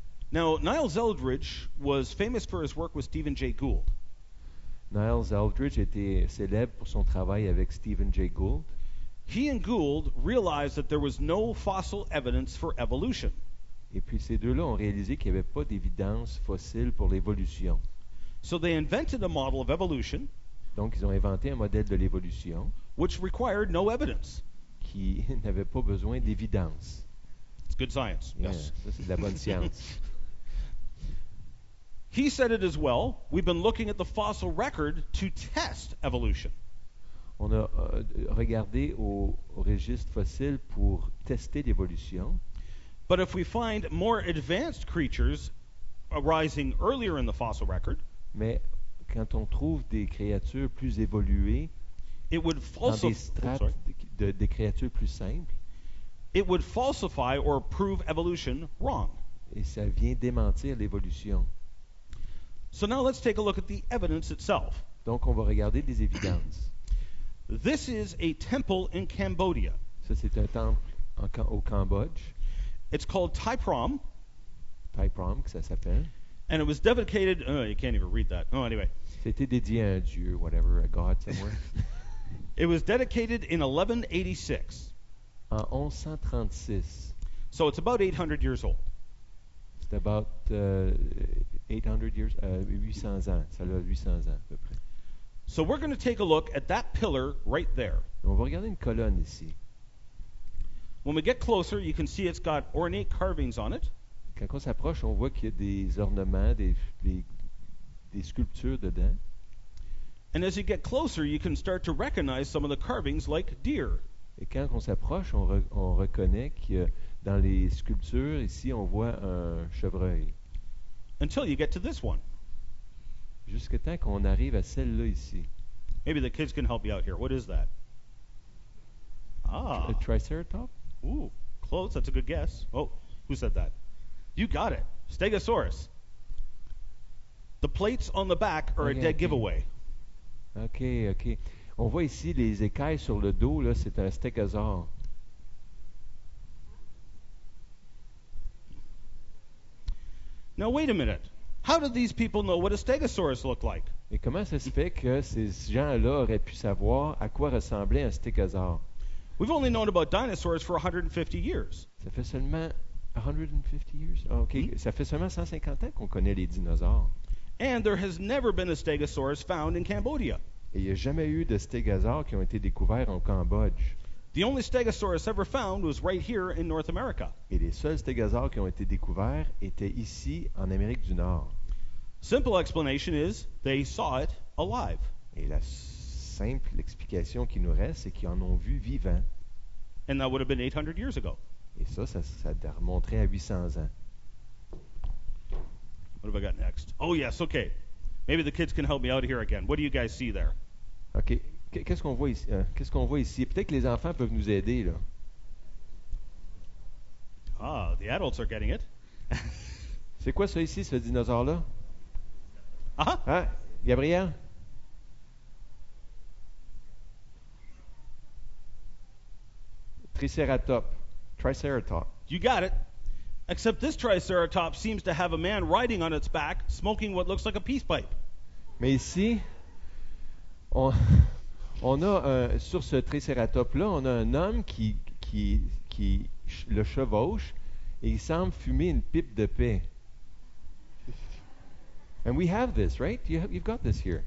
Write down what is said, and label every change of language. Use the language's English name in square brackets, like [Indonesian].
[English] Now, Niles Eldridge was famous for his work with Stephen Jay Gould. [French] Niles Eldridge était célèbre pour son travail avec Stephen Jay Gould. [English] He and Gould realized that there was no fossil evidence for evolution. [French] Et puis ces deux-là ont réalisé qu'il n'y avait pas d'évidence fossile pour l'évolution. [English] So they invented a model of evolution. [French] Donc ils ont inventé un modèle de l'évolution. [English] Which required no evidence. [French] Qui n'avait pas besoin d'évidence. [English] It's good science. Yeah, yes. [French] Ça c'est de la bonne science. [English] He said it as well. We've been looking at the fossil record to test evolution. [French] On a regardé au registre fossile pour tester l'évolution. [English] But if we find more advanced creatures arising earlier in the fossil record, [French] mais quand on trouve des créatures plus évoluées, [English] it would [French] dans des strates de créatures plus simples, [English] it would falsify or prove evolution wrong. [French] Et ça vient démentir l'évolution. [English] So now let's take a look at the evidence itself. [French] Donc on va regarder des évidences. [English] This is a temple in Cambodia. [French] Ça c'est un temple au Cambodge. [English] It's called Thai Prom. [French] Thai Prom, que ça s'appelle. [English] And it was dedicated. Oh, you can't even read that. Oh, anyway. [French] C'était dédié à un dieu, [English] whatever, a god somewhere. It was dedicated in 1186. [French] En 1136. [English] So it's about 800 years old. [French] C'est [English] about 800 years, [French] 800 ans. Ça a 800 ans, à peu près. [English] So we're going to take a look at that pillar right there. [French] On va regarder une colonne ici. [English] When we get closer, you can see it's got ornate carvings on it. [French] Quand on s'approche, on voit qu'il y a des ornements, des sculptures dedans. [English] And as you get closer, you can start to recognize some of the carvings like deer. [French] Et quand on s'approche, on reconnaît qu'il y a dans les sculptures, ici, on voit un chevreuil. [English] Until you get to this one. [French] Jusqu'à temps qu'on arrive à celle-là ici. [English] Maybe the kids can help you out here. What is that? Ah. A triceratops? Ooh, close. That's a good guess. Oh, who said that? You got it. Stegosaurus. The plates on the back are a dead giveaway. Okay. [French] On voit ici les écailles sur le dos, là, c'est un stegosaure. [English] Now, wait a minute. How did these people know what a stegosaurus looked like? [French] Et comment ça se fait que ces gens-là auraient pu savoir à quoi ressemblait un stégosaure? [English] We've only known about dinosaurs for 150 years. [French] Ça fait seulement 150 [English] years. Oh, okay. [French] Mm-hmm. Ça fait seulement 150 ans qu'on connaît les dinosaures. [English] And there has never been a stegosaurus found in Cambodia. [French] Et il n'y a jamais eu de stégosaures qui ont été découverts en Cambodge. [English] The only stegosaurus ever found was right here in North America. [French] Et les seuls stégosaures qui ont été découverts étaient ici en Amérique du Nord. [English] Simple explanation is they saw it alive. [French] Et la simple explication qui nous reste, c'est qu'ils en ont vu vivant. [English] And that would have been 800 years ago. [French] Et ça remonterait à 800 ans. [English] What have I got next? Oh yes, okay. Maybe the kids can help me out here again. What do you guys see there? [French] Okay. Qu'est-ce qu'on voit ici? Qu'est-ce qu'on voit ici? Peut-être que les enfants peuvent nous aider là. [English] Ah, the adults are getting it. [French] C'est quoi ça ici, ce dinosaure là? Ah, hein? Gabriel? [English] Triceratops. You got it. Except this triceratops seems to have a man riding on its back, smoking what looks like a peace pipe. [French] Mais ici, sur ce triceratops-là, on a un homme qui le chevauche et il semble fumer une pipe de paix. [English] And we have this, right? You've got this here.